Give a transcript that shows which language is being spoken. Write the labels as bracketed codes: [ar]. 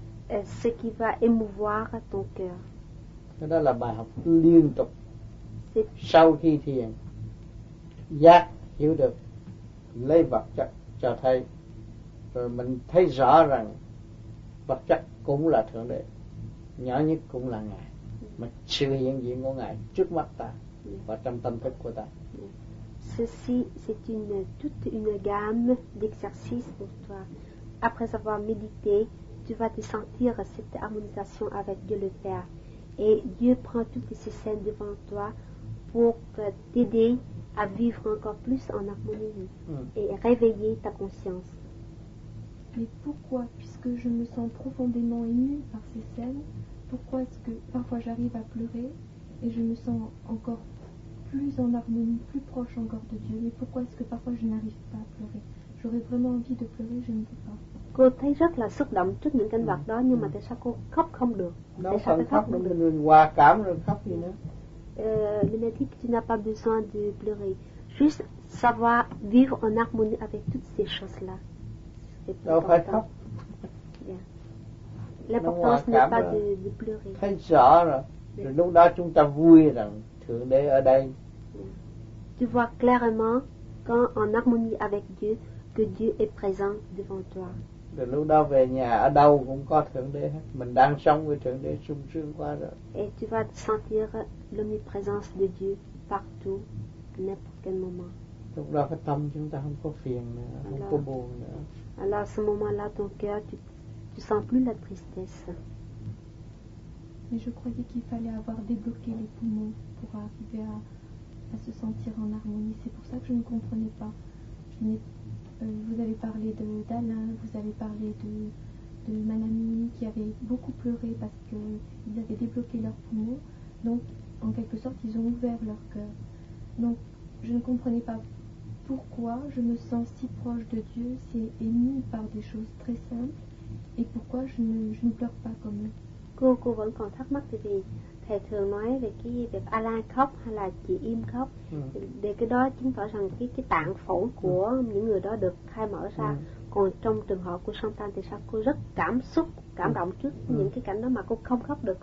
[fr] Ce qui va émouvoir ton cœur. [vi] Cái đó là bài học liên tục. Sau khi thiền, giác hiểu được, lấy vật chất cho thấy, rồi mình thấy rõ rằng vật chất cũng là Thượng Đế, nhỏ nhất cũng là Ngài, mà sự hiện diện của Ngài trước mắt ta và trong tâm thức của ta. [fr] Ceci, c'est toute une gamme d'exercices pour toi. Après avoir médité, tu vas te sentir cette harmonisation avec Dieu le Père. Et Dieu prend toutes ces scènes devant toi pour t'aider à vivre encore plus en harmonie et réveiller ta conscience. Mais pourquoi, puisque je me sens profondément émue par ces scènes, pourquoi est-ce que parfois j'arrive à pleurer et je me sens encore plus en harmonie, plus proche encore de Dieu? Mais pourquoi est-ce que parfois je n'arrive pas à pleurer? J'aurais vraiment envie de pleurer, je ne peux pas. [vi] Cô thấy rất là xúc động trước những cảnh vật đó, nhưng mà tại sao cô khóc không được? Đâu cần khóc, mình hòa cảm rồi khóc gì nữa. [fr] Il m'a dit que tu n'as pas besoin de pleurer, juste savoir vivre en harmonie avec toutes ces choses-là. [vi] Đâu phải khóc. [fr] L'importance n'est pas de pleurer. [vi] Thấy rõ rồi. Rồi lúc đó chúng ta vui rằng Thượng Đế ở đây. [fr] Tu vois clairement quand en harmonie avec Dieu que Dieu est présent devant toi. [vi] Rồi lúc đó về nhà ở đâu cũng có Thượng Đế hết. Mình đang sống với Thượng Đế sung sướng quá rồi. [fr] Et tu vas sentir l'omniprésence de Dieu partout, n'importe quel moment. [vi] Lúc đó cái tâm chúng ta không có phiền nữa, không có buồn nữa. [fr] Alors à ce moment-là, ton cœur, tu sens plus la tristesse. Mais je croyais qu'il fallait avoir débloqué les poumons pour arriver à se sentir en harmonie. C'est pour ça que je ne comprenais pas. Vous avez parlé d'Alain, vous avez parlé de Manami qui avait beaucoup pleuré parce qu'ils avaient débloqué leurs poumons. Donc, en quelque sorte, ils ont ouvert leur cœur. Donc, je ne comprenais pas pourquoi je me sens si proche de Dieu, si émue par des choses très simples, et pourquoi je ne pleure pas comme eux. [vi] Cô vẫn còn thắc mắc vì thầy thường nói về cái việc Alain khóc hay là chị im khóc, để cái đó chứng tỏ rằng cái tạng phổi của những người đó được khai mở ra. Còn trong trường hợp của Song Tan thì sao? Cô rất cảm xúc, cảm động trước những cái cảnh đó mà cô không khóc được.